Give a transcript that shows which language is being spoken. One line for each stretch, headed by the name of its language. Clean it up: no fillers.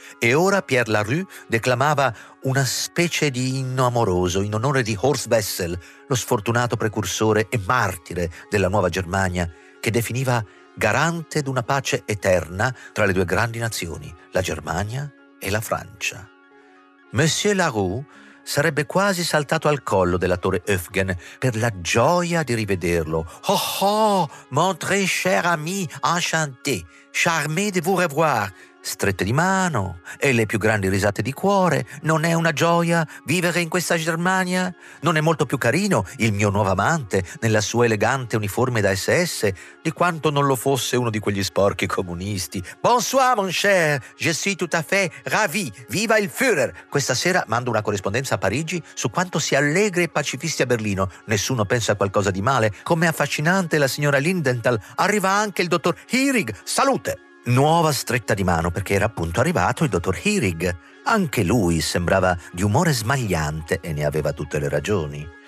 Italian: E ora Pierre Larue declamava una specie di inno amoroso in onore di Horst Wessel, lo sfortunato precursore e martire della nuova Germania, che definiva garante d'una pace eterna tra le due grandi nazioni, la Germania e la Francia. Monsieur Larue sarebbe quasi saltato al collo dell'attore Öfgen per la gioia di rivederlo.
French: «Oh, oh, mon très cher ami, enchanté, charmé de vous revoir!»
Italian: Strette di mano e le più grandi risate di cuore. «Non è una gioia vivere in questa Germania? Non è molto più carino il mio nuovo amante nella sua elegante uniforme da SS di quanto non lo fosse uno di quegli sporchi comunisti?
French: Bonsoir, mon cher, je suis tout à fait ravi,
Italian: viva il Führer! Questa sera mando una corrispondenza a Parigi su quanto si allegri e pacifisti a Berlino. Nessuno pensa a qualcosa di male. Com'è affascinante la signora Lindenthal. Arriva anche il dottor Hirig. Salute!» Nuova stretta di mano, perché era appunto arrivato il dottor Hirig. Anche lui sembrava di umore smagliante e ne aveva tutte le ragioni.